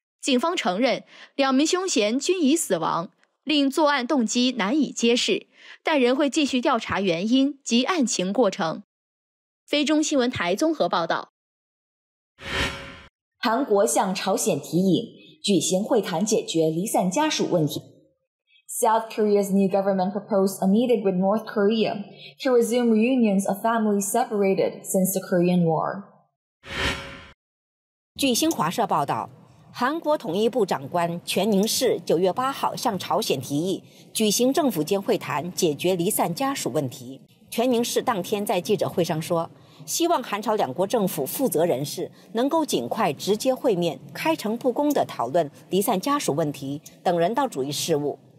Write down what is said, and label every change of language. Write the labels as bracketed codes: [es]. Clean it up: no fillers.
[zh] 警方承认，两名凶嫌均已死亡，令作案动机难以揭示，但仍会继续调查原因及案情过程。菲中新闻台综合报道。韩国向朝鲜提引，举行会谈解决离散家属问题。 [en] South Korea's new government proposed a meeting with North Korea to resume reunions of families separated since the Korean War. [zh] 据新华社报道，韩国统一部长官全宁氏9月8号向朝鲜提议举行政府间会谈，解决离散家属问题。全宁氏当天在记者会上说，希望韩朝两国政府负责人士能够尽快直接会面，开诚布公地讨论离散家属问题等人道主义事务。